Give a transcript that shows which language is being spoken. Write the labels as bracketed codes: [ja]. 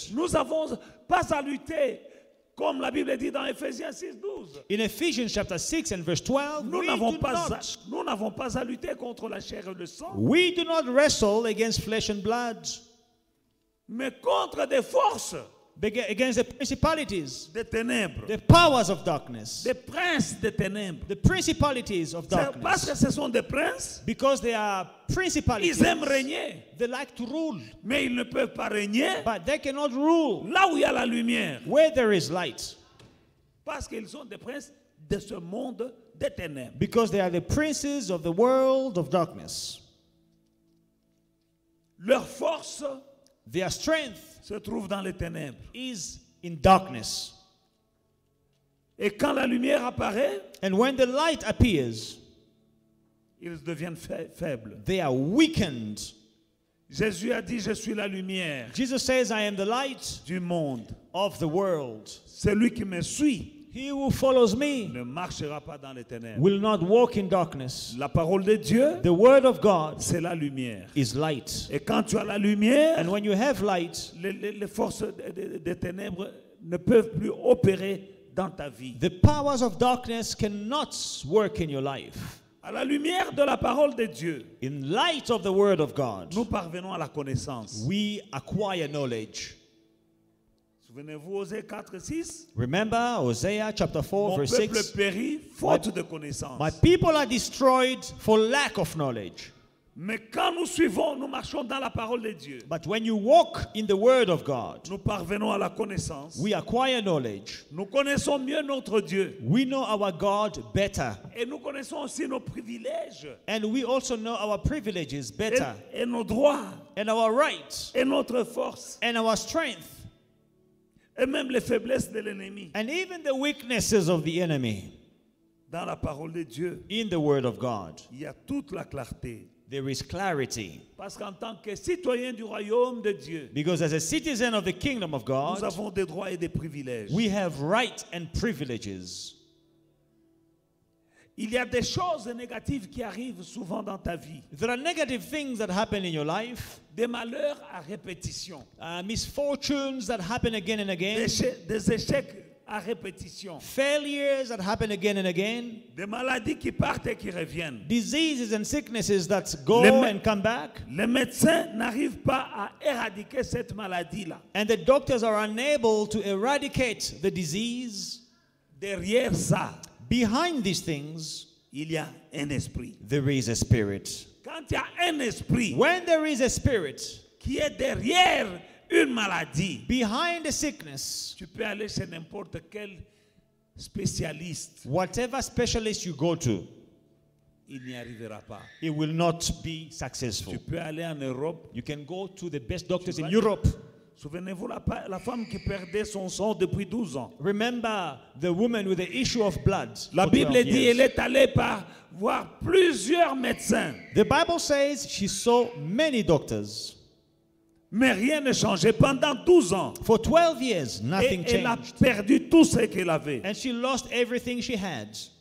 [fr] Nous avons pas à lutter comme la Bible dit dans Ephésiens 6:12. [en] In Ephesians chapter 6 and verse 12, [fr] nous n'avons pas à lutter contre la chair et le sang. [en] We do not wrestle against flesh and blood. [fr] Mais contre des forces. [en] Against the principalities. [fr] Des ténèbres. [en] The powers of darkness. [fr] Des princes des ténèbres. [en] The principalities of darkness. [fr] Parce que ce sont des princes. [en] Because they are principalities. [fr] Ils aiment régner. [en] They like to rule. [fr] Mais ils ne peuvent pas régner. [en] But they cannot rule. [fr] Là où il y a la lumière. [en] Where there is light. [fr] Parce qu'ils sont des princes de ce monde des ténèbres. [en] Because they are the princes of the world of darkness. [fr] Leur force. [en] Their strength [fr] se trouve dans les ténèbres. [en] Is in darkness. [fr] Et quand la lumière apparaît, [en] and when the light appears, [fr] ils deviennent faibles. [en] They are weakened. [fr] Jésus a dit, je suis la lumière. [en] Jesus says, I am the light [fr] du monde. [en] Of the world. [fr] Celui qui me suit, [en] he who follows me, [fr] ne marchera pas dans les ténèbres, [en] will not walk in darkness. [fr] La parole de Dieu, [en] the word of God, [fr] c'est la lumière, [en] is light. [fr] Et quand tu as la lumière, [en] and when you have light, [fr] les forces des ténèbres ne peuvent plus opérer dans ta vie. [en] The powers of darkness cannot work in your life. [fr] À la lumière de la parole de Dieu, [en] in light of the word of God, [fr] nous parvenons à la connaissance. [en] We acquire knowledge. [fr] Souvenez-vous, Hosea 4, 6. [en] Remember Hosea chapter 4, [fr] mon [en] verse 6. [fr] Mon peuple périt faute de connaissance. [en] My people are destroyed for lack of knowledge. [fr] Mais quand nous suivons, nous marchons dans la parole de Dieu. [en] But when you walk in the word of God, [fr] nous parvenons à la connaissance. [en] We acquire knowledge. [fr] Nous connaissons mieux notre Dieu. [en] We know our God better. [fr] Et nous connaissons aussi nos privilèges. [en] And we also know our privileges better. [fr] Et nos droits. [en] And our rights. [fr] Et notre force. [en] And our strength. [fr] Et même les faiblesses de l'ennemi. [en] And even the weaknesses of the enemy. [fr] Dans la parole de Dieu, [en] in the word of God, [fr] il y a toute la clarté. [en] There is clarity. [fr] Parce qu'en tant que citoyen du royaume de Dieu, [en] because as a citizen of the kingdom of God, [fr] nous avons des droits et des privilèges. [en] We have rights and privileges. [fr] Il y a des choses négatives qui arrivent souvent dans ta vie. [en] There are negative things that happen in your life. [fr] Des malheurs à répétition. [en] Misfortunes that happen again and again. [fr] Des échecs à répétition. [en] Failures that happen again and again. [fr] Des maladies qui partent et qui reviennent. [en] Diseases and sicknesses that go and come back. [fr] Les médecins n'arrivent pas à éradiquer cette maladie-là. [en] And the doctors are unable to eradicate the disease. [fr] Derrière ça, [en] behind these things, [fr] il y a un esprit. [en] There is a spirit. [fr] Quand il y a un esprit, [en] when there is a spirit, [fr] qui est derrière une maladie, [en] behind a sickness, [fr] tu peux aller chez n'importe quel spécialiste. [en] Whatever specialist you go to, [fr] il n'y arrivera pas. [en] It will not be successful. [fr] Tu peux aller en Europe. [en] You can go to the best doctors in Europe. [fr] Souvenez-vous la femme qui perdait son sang depuis 12 ans. [en] Remember the woman with the issue of blood. [fr] La Bible dit elle est allée par voir plusieurs médecins. [en] The Bible says she saw many doctors. [fr] Mais rien ne changeait pendant 12 ans. [en] For 12 years nothing [fr] et [en] changed. [fr] Elle a perdu tout ce qu'elle avait. [en] And she lost everything she had.